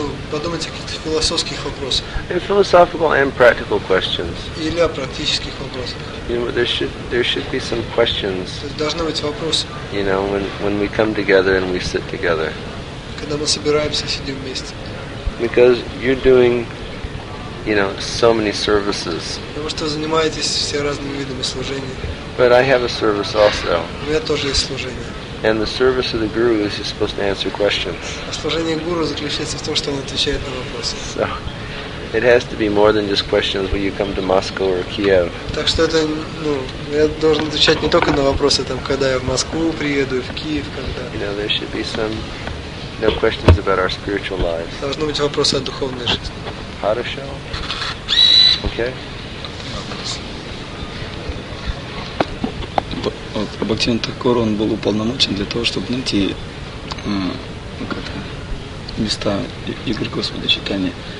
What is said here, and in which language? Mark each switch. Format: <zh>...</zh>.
<ru>Подумать о каких-то философских вопросах.</ru> <en>Philosophical and practical questions.</en> <ru>Или о практических вопросах.</ru> <en>You know, there should be some questions.</en> <ru>Должны быть вопросы.</ru> <en>You know, when we come together and we sit together.</en> <ru>Когда мы собираемся и сидим вместе.</ru> <en>Because you're doing, you know, so many services.</en> <ru>Потому что занимаетесь все разными видами служения.</ru> <en>But I have a service also.</en> <ru>У меня тоже есть служение.</ru> <en>And the service of the guru is he's supposed to answer questions.</en> <ru>Служение гуру заключается в том, что он отвечает на вопросы.</ru> <en>So, it has to be more than just questions when you come to Moscow or Kiev.</en> <ru>Так что это, ну, я должен отвечать не только на вопросы там, когда я в Москву приеду и в Киев когда.</ru> <en>You know, there should be some, you know, questions about our spiritual lives.</en> <ru>Должны быть вопросы о духовной жизни. Хорошо. Okay. Бхактин Такур, он был уполномочен для того, чтобы найти места Игорь Господа Читания.</ru>